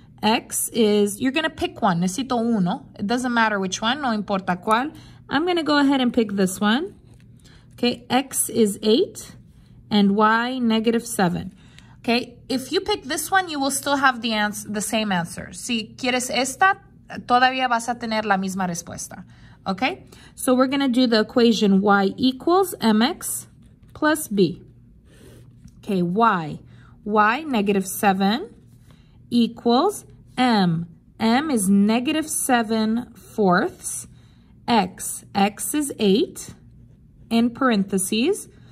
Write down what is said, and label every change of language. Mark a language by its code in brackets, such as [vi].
[en] X is, you're going to pick one. [es] Necesito uno. [en] It doesn't matter which one. [es] No importa cuál. [en] I'm going to go ahead and pick this one. Okay, X is 8 and Y negative 7. Okay, if you pick this one, you will still have the same answer. [es] Si quieres esta, todavía vas a tener la misma respuesta. [en] Okay, so we're going to do the equation y equals mx plus b. Okay, y, negative 7 equals m. M is negative 7 fourths. X is 8 in parentheses.